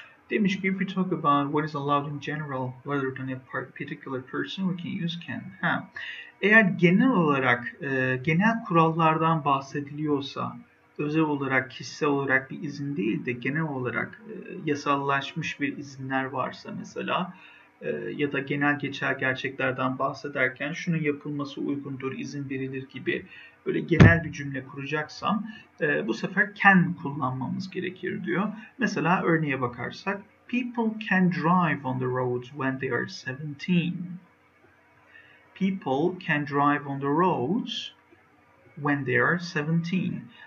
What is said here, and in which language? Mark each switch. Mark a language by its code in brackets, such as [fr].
[tr] Demiş ki, [en] if we talk about what is allowed in general rather than a particular person, we can use can. Ha. [tr] Eğer genel olarak, genel kurallardan bahsediliyorsa, özel olarak, kişisel olarak bir izin değil de genel olarak yasallaşmış bir izinler varsa mesela, ya da genel geçer gerçeklerden bahsederken şunun yapılması uygundur, izin verilir gibi böyle genel bir cümle kuracaksam bu sefer can kullanmamız gerekir diyor. Mesela örneğe bakarsak, [en] people can drive on the roads when they are 17. People can drive on the roads when they are 17.